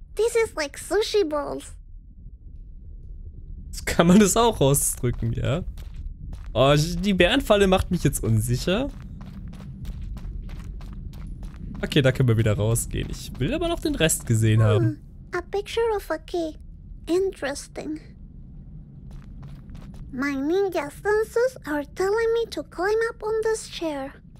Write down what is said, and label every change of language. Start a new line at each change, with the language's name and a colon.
English: This is like sushi balls.
German: So kann man das auch ausdrücken, ja? Oh, die Bärenfalle macht mich jetzt unsicher. Okay, da können wir wieder rausgehen. Ich will aber noch den Rest gesehen haben.
English: A picture of a key. Interesting. My ninja senses are telling me to climb up on this chair.